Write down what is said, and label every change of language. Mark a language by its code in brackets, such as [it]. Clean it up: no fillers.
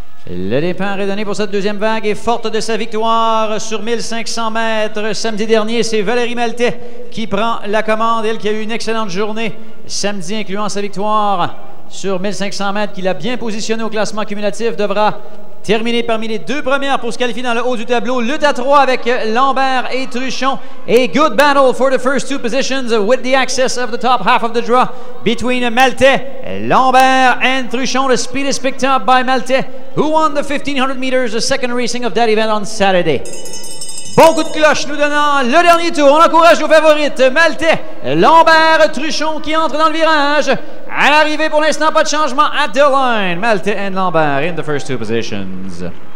[fr] Le départ est donné pour cette deuxième vague et forte de sa victoire sur 1500 mètres samedi dernier. C'est Valérie Maltais qui prend la commande, elle qui a eu une excellente journée samedi, incluant sa victoire sur 1500 mètres, qui l'a bien positionné au classement cumulatif, devra terminer parmi les deux premières pour se qualifier dans le haut du tableau. Lutte à trois avec Lambert et Truchon. [en] A good battle for the first two positions with the access of the top half of the draw between Maltais, Lambert and Truchon. The speed is picked up by Maltais, who won the 1500 meters, the second racing of that event on Saturday. [fr] Bon coup de cloche nous donnant le dernier tour. On encourage nos favorites. Maltais, Lambert, Truchon qui entre dans le virage. À l'arrivée, pour l'instant, pas de changement à [en] the line. [fr] Maltais et Lambert [en] in the first two positions.